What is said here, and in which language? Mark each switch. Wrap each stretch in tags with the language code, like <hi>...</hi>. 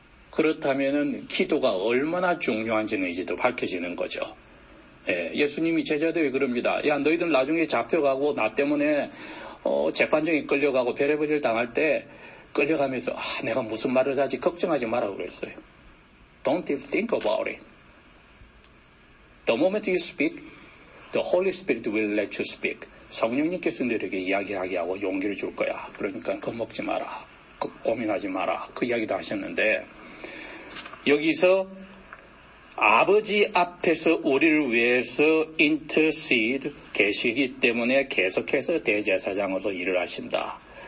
<ko>그렇다면은 기도가 얼마나 중요한지는 이제도 밝혀지는 거죠. 예, 예수님이 제자들이 그럽니다. 야 너희들 나중에 잡혀가고 나 때문에 재판정에 끌려가고 별의별을 당할 때 끌려가면서 아, 내가 무슨 말을 하지 걱정하지 마라고 그랬어요.</ko> <en>Don't even think about it. The moment you speak, the Holy Spirit will let you speak.</en> <ko>성령님께서 너에게 이야기하게 하고 용기를 줄 거야. 그러니까 겁먹지 마라. 고민하지 마라. 그 이야기도 하셨는데 여기서 아버지 앞에서 우리를 위해서 intercede 계시기 때문에 계속해서 대제사장으로서 일을 하신다.</ko>